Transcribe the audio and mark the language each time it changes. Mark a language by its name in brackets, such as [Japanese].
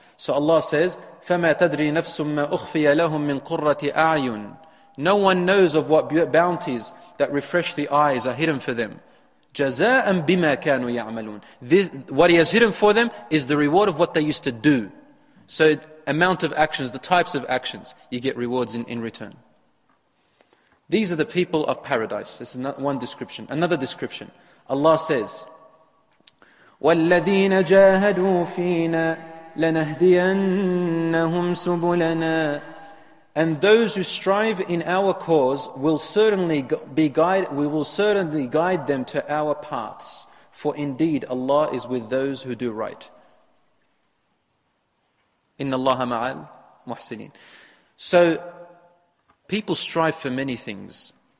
[English] So Allah says, [Arabic] فَمَا تَدْرِي نَفْسٌ مَّا أُخْفِيَ لَهُمْ مِّن قُرَّةِ أَعْيُنٍ [English] No one knows of what bounties that refresh the eyes are hidden for them. [Arabic] جَزَاءً بِمَا كَانُوا يَعْمَلُونَ [English] What He has hidden for them is the reward of what they used to do. So the amount of actions, the types of actions, you get rewards in return. These are the people of paradise. This is not one description. Another description. Allah says, [Arabic] وَالَّذِينَ جَاهَدُوا فِينَا لَنَهْدِيَنَّهُمْ سُبُلَنَا [English] And those who strive in our cause will certainly be guided, we will certainly guide them to our paths. For indeed, Allah is with those who do right. [Arabic] Inna Allah ma'al muhsinin. [English] So, people strive for many things.